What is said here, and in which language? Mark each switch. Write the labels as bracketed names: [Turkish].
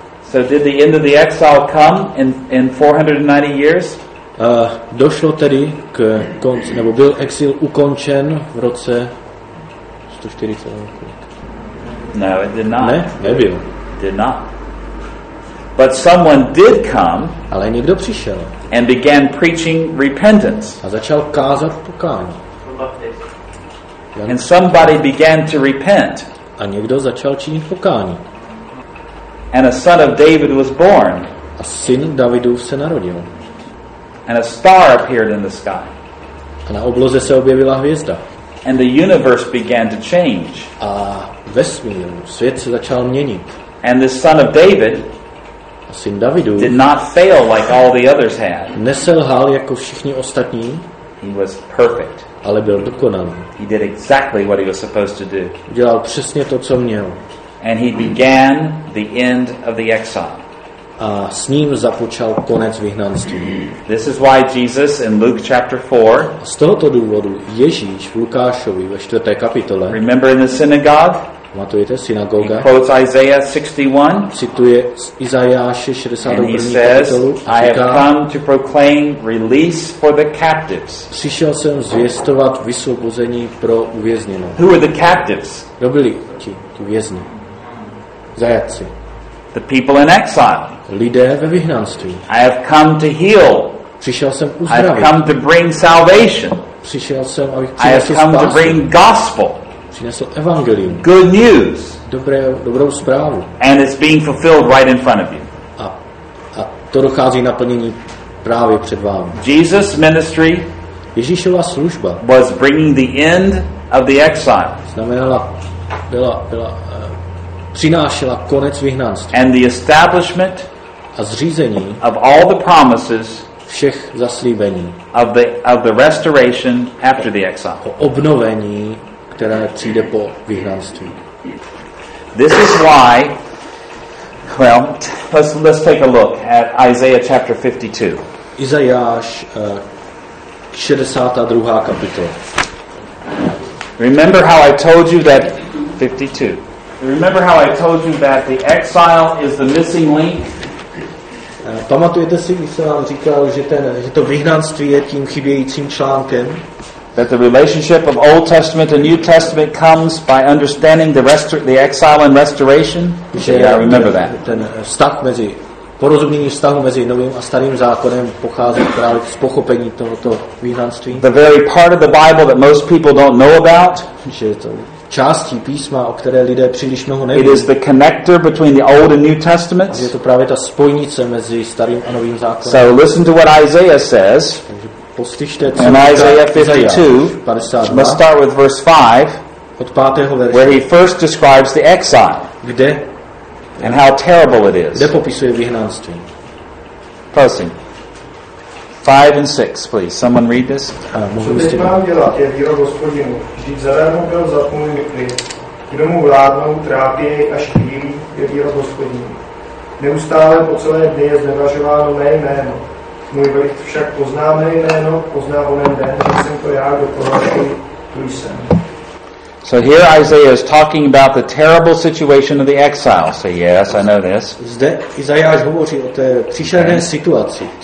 [English] So did the end of the exile come in 490 years? [Czech] Došlo tedy k konci, nebo byl exil ukončen v roce 140. [English] No, it did not. [Czech] Ne, nebyl. [English] Did not. But someone did come. [Czech] Ale někdo přišel. [English] And began preaching repentance. [Czech] A začal kázat pokání. [English] And somebody began to repent. [Czech] A někdo začal činit pokání. [English] And a son of David was born. [Czech] A syn Davidův se narodil. [English] And a star appeared in the sky. [Czech] A na obloze se objevila hvězda. [English] And the universe began to change. [Czech] A vesmír, svět se začal měnit. [English] And the son of David, [Czech] a syn Davidův, [English] did not fail like all the others had. [Czech] Neselhal jako všichni ostatní. [English] He was perfect. [Czech] Ale byl dokonalý. [English] He did exactly what he was supposed to do. [Czech] Dělal přesně to, co měl. [English] And he began the end of the exile. [Czech] A s ním započal konec vyhnanství. [English] This is why Jesus in Luke chapter 4. [Czech] Z tohoto důvodu Ježíš v Lukášovi ve 4. kapitole. [English] Remember in the synagogue? [Czech] Pamatujete synagoga? [English] He quotes Isaiah 61. [Czech] Cituje z Izajáše 61. [English] And he says, I have come to proclaim release for the captives. [Czech] Přišel jsem zvěstovat vysvobození pro uvězněné. [English] Who are the captives? [Czech] Kdo byli ti vězni? Zajatci. [English] The people in exile. [Czech] Lidé ve vyhnanství. [English] I have come to heal. [Czech] Přišel jsem uzdravit. [English] I have come to bring salvation. [Czech] Přišel jsem, abych přinesl spásu. [English] I have come to bring gospel. [Czech] Přinesl evangelium. [English] Good news. [Czech] Dobrou zprávu. [English] And it's being fulfilled right in front of you. [Czech] A to dochází naplnění právě před vámi. [English] Jesus ministry. [Czech] Ježíšova služba. [English] Was bringing the end of the exile. [Czech] Znamenala, byla přinášela konec vyhnanství. [English] And the establishment [Czech] a zřízení [English] of all the promises [Czech] všech zaslíbení [English] of the restoration after the exile. [Czech] O obnovení, které přijde po vyhnanství. [English] This is why, well, let's take a look at Isaiah chapter 52. [Czech] Izajáš 62. kapitola. [English] Remember how I told you that 52. Remember how I told you that the exile is the missing link? [Czech] Pamatujete si, když jsem vám říkal, že to vyhnanství je tím chybějícím článkem? [English] That the relationship of Old Testament and New Testament comes by understanding the exile and restoration? Yeah, I remember that. [Czech] Ten vztah mezi porozumění vztahu mezi novým a starým zákonem pochází právě z pochopení tohoto vyhnanství. [English] The very part of the Bible that most people don't know about. [Czech] Části písma, o které lidé příliš mnoho neví. [English] It is the connector between the Old and New Testaments. [Czech] Je to právě ta spojnice mezi starým a novým zákonem. [English] So listen to what Isaiah says. [Czech] Poslyšte, co [English] in Isaiah 52, let's start with verse 5, [Czech] od 5. verše, [English] where he first describes the exile. [Czech] Kde? [English] And how terrible it is. [Czech] Kde popisuje vyhnanství? Prosím. [English] 5 and 6, please. Someone read this. [Czech] Co teď mám dělat, je výrok Hospodinu. Vždyť zadarmo byl zatmul mykli. Kdo mu vládnou, trápí jej až chvílí, je výrok Hospodinu. Neustále po celé dny je znevažováno mé jméno. Můj vlit však pozná mé jméno, pozná onem den, že jsem to já, kdo pohlašuji, tu jsem. [English] So here Isaiah is talking about the terrible situation of the exile. So yes, I know this. [Czech] Zde Izajáš hovoří o té příšerné situaci.